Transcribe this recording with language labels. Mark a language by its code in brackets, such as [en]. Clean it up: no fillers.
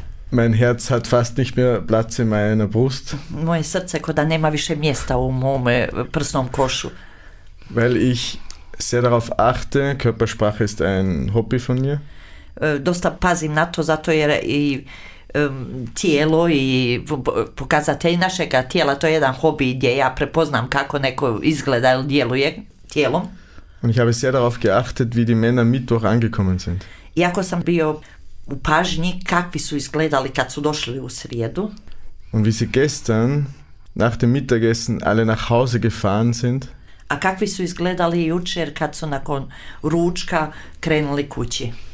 [de] Mein Herz hat fast nicht mehr Platz in meiner Brust. [hr] Moje srce kao da nema više mjesta u mome prsnom košu. [de] Weil ich sehr darauf achte, Körpersprache ist ein Hobby von mir. [hr] Dosta pazim na to, zato jer i tijelo i pokazatelj našega tijela, to je jedan hobby gdje ja prepoznam kako neko izgleda ili djeluje tijelom. [de] Und ich habe sehr darauf geachtet, wie die Männer Mittwoch angekommen sind. [hr] Iako sam bio u pažnji kakvi su izgledali kad su došli u srijedu. [de] Und wie sie gestern nach dem Mittagessen alle nach Hause gefahren sind. [hr] A kakvi su izgledali jučer kad su nakon ručka krenuli kući.